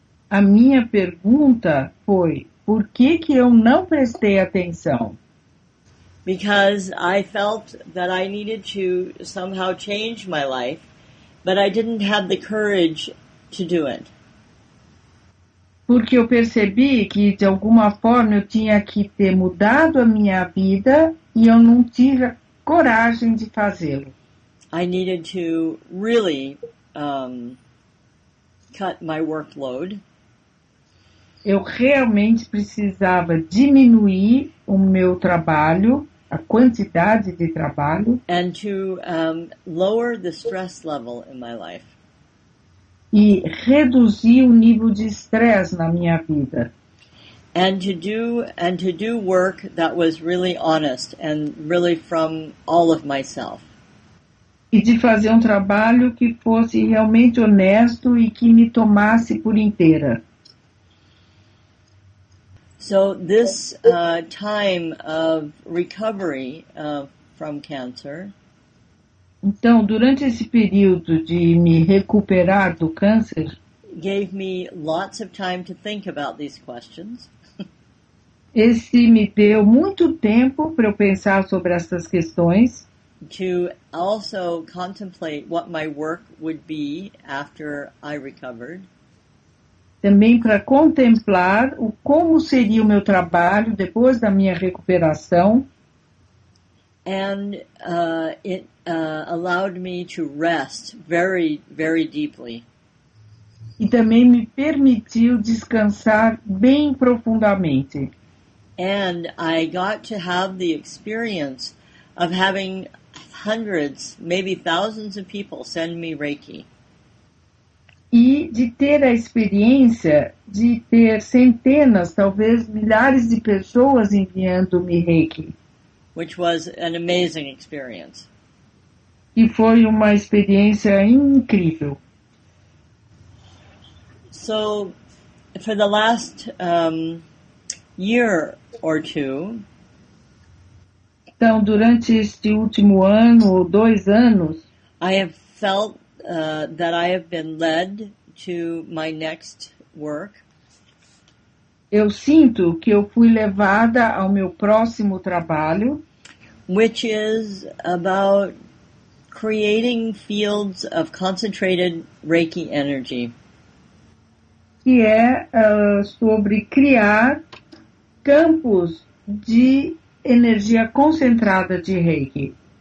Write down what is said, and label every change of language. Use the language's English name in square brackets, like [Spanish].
[Portuguese] A minha pergunta foi, por que que eu não prestei atenção? [English] Because I felt that I needed to somehow change my life, but I didn't have the courage to do it. [Portuguese] Porque eu percebi que, de alguma forma, eu tinha que ter mudado a minha vida e eu não tive a coragem de fazê-lo. [English] I needed to really cut my workload. [Portuguese] Eu realmente precisava diminuir o meu trabalho, a quantidade de trabalho. [English] And to lower the stress level in my life. [Portuguese] E reduzir o nível de estresse na minha vida. [English] And to do work that was really honest and really from all of myself. [Portuguese] E de fazer um trabalho que fosse realmente honesto e que me tomasse por inteira. [English] So this time of recovery from cancer. [Portuguese] Então, durante esse período de me recuperar do câncer, [English] gave me lots of time to think about these questions. [Portuguese] Esse me deu muito tempo para eu pensar sobre essas questões. [English] To also contemplate what my work would be after I recovered. [Portuguese] Também para contemplar o como seria o meu trabalho depois da minha recuperação. [English] And it allowed me to rest very, very deeply. [Portuguese] E também me permitiu descansar bem profundamente. [English] And I got to have the experience of having hundreds, maybe thousands of people send me Reiki. [Portuguese] E de ter a experiência de ter centenas, talvez milhares de pessoas enviando-me Reiki. [English] Which was an amazing experience. [Portuguese] E foi uma experiência incrível. [English] So, for the last year or two, [Portuguese] então, durante este último ano ou dois anos, [English] I have felt that I have been led to my next work. [Portuguese] Eu sinto que eu fui levada ao meu próximo trabalho, [English] which is about creating fields of concentrated Reiki energy. [Portuguese] Que é sobre criar campos de energia concentrada de Reiki.